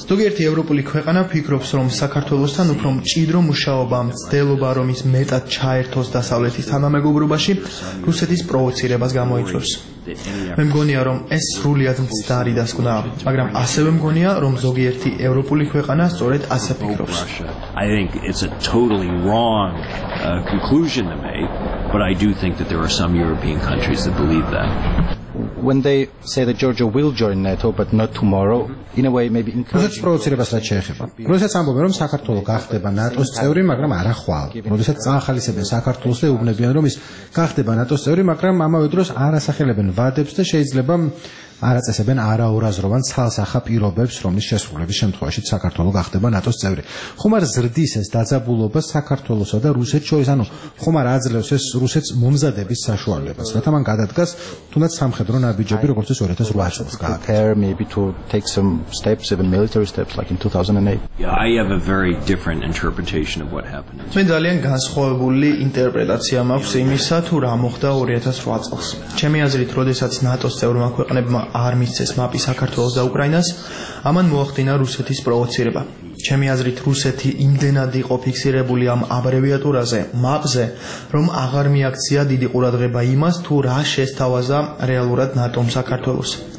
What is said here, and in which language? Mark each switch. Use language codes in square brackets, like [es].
[ka] ზოგიერთი ევროპული ქვეყანა ფიქრობს, რომ საქართველოსთან უფრო მჭიდრო მუშაობა, მცდელობა, რომ ის მეტად ჩაერთოს დასავლეთის თანამეგობრობაში, რუსეთის პროვოცირებას გამოიწვევს. მე მგონია, რომ ეს სრულიად მცდარი დასკვნაა, მაგრამ ასევე მგონია, რომ ზოგიერთი ევროპული ქვეყანა სწორედ ასე ფიქრობს. [en] I think it's a totally wrong conclusion to make, but I do think that there are some European countries that believe that. When they say that Georgia will join NATO but not tomorrow, in a way maybe incorrect. [ka] Რუსეთს პროვოცირებას რა შეეხება? რუსეთს ამბობენ, რომ საქართველო გახდება ნატოს წევრი, მაგრამ არა ხვალ. რუსეთს წაახალისებენ საქართველოს და უბნებიან, რომ ის გახდება ნატოს წევრი, მაგრამ ამავე დროს არასახელებენ ვადებს და შეიძლება არაწესებენ არაურაზროვან ცალსახა პირობებს, რომლის შესრულების შემთხვევაში საქართველო გახდება ნატოს წევრი. ხომ არ ზრდის ეს დაძაბულობა საქართველოსა და რუსეთს შორის? ანუ ხომ არ აძლევს ეს რუსეთს მომზადების საშუალებას, რათა მან გადადგას თუნდაც სამხედრო ნაბიჯები, როგორც ეს 2008 წელს გააკეთა? [en] Maybe to take some steps, even military steps like in 2008. Yeah, I have a very different interpretation of what happened. [ka] მე ძალიან განსხვავებული ინტერპრეტაცია მაქვს იმისა, თუ რა მოხდა 2008 წელს. ჩემი აზრით, როდესაც ნატოს წევრმა ქვეყნებმა არ მისცეს მაპი საქართველოს და უკრაინას, ამან მოახდინა რუსეთის პროვოცირება. ჩემი აზრით, რუსეთი იმდენად იყო ფიქსირებული ამ აბრევიატურაზე, მაპზე, რომ აღარ მიაქცია დიდი ყურადღება იმას, თუ რა შესთავაზა რეალურად ნატომ საქართველოს.